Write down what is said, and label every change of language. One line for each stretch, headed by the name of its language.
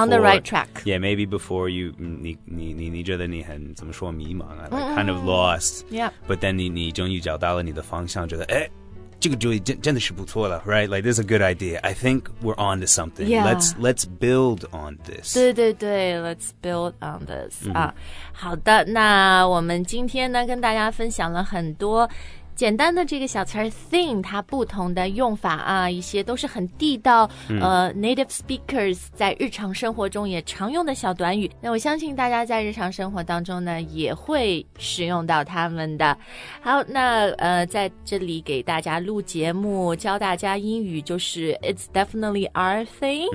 English: On the right track. Yeah, maybe before you...
Chinese: 你觉得你很怎么说迷茫啊,
English: like, mm-hmm. kind of lost. Yeah. But then
Chinese: 你终于找到了你的方向,觉得,诶,这个主意真的是不错了, right?
English: Like, this is a good idea. I think we're on to something. Yeah. Let's build on this.
Chinese: 对对对,
English: let's build on this. Mm-hmm.
Chinese: 好的,那我们今天呢,跟大家分享了很多简单的这个小词儿 thing 它不同的用法啊一些都是很地道、嗯、 native speakers 在日常生活中也常用的小短语那我相信大家在日常生活当中呢也会使用到它们的好那在这里给大家录节目教大家英语就是
English: it's definitely our thing、